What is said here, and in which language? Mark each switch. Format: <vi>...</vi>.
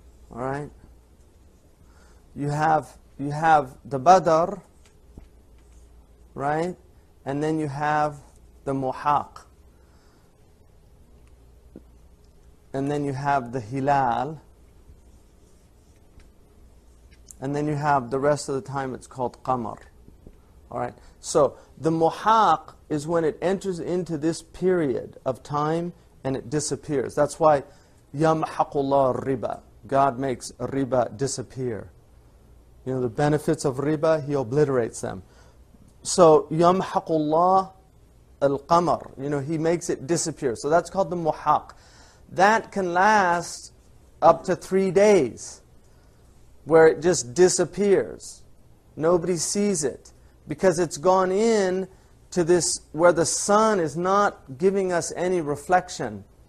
<en>All right. You have the Badr, right, and then you have the muhaq, and then you have the hilal, and then you have the rest of the time. It's called qamar. All right. So the muhaq is when it enters into this period of time. And it disappears. That's why</en> <ar>يَمْحَقُ اللَّهُ الرِّبَى.</ar> <en>God makes riba disappear. You know, the benefits of riba, He obliterates them. So</en> <ar>يَمْحَقُ اللَّهُ الْقَمَرِ.</ar> <en>You know, He makes it disappear. So that's called the muhaq. That can last up to 3 days where it just disappears. Nobody sees it. Because it's gone in to this where the sun is not giving us any reflection.</en>